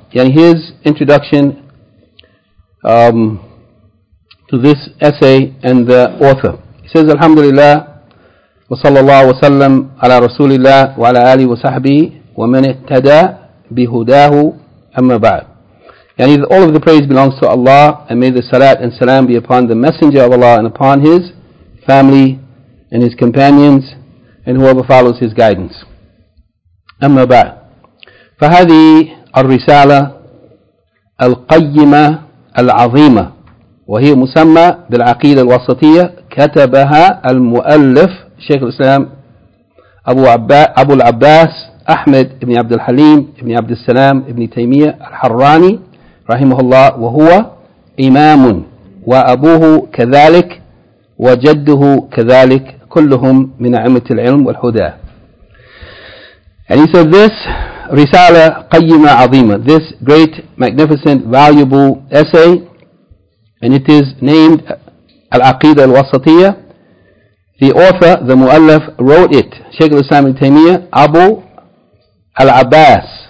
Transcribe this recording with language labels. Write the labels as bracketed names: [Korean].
[English] يعني his introduction to this essay and the author. He says [Arabic] الحمد لله وصلى الله وسلم على رسول الله وعلى آله وصحبه ومن اهتدى بهداه أما بعد. [English] يعني all of the praise belongs to Allah, and may the salat and salam be upon the messenger of Allah and upon his family and his companions and whoever follows his guidance. [Arabic] أما بعد فهذه الرسالة القيمة العظيمة وهي مسمى بالعقيدة الوسطية كتبها المؤلف شيخ الإسلام أبو العباس أحمد بن عبد الحليم بن عبد السلام بن تيمية الحراني رحمه الله وهو إمام وأبوه كذلك وجده كذلك كلهم من أئمة العلم والهدى. [English] And he said this Risala Qayyima Azima, this great, magnificent, valuable essay, and it is named Al-Aqidah Al-Wasatiyya. The author, the Mu'allaf, wrote it, Shaykh al-Islam al-Taymiyyah, Abu al-Abbas.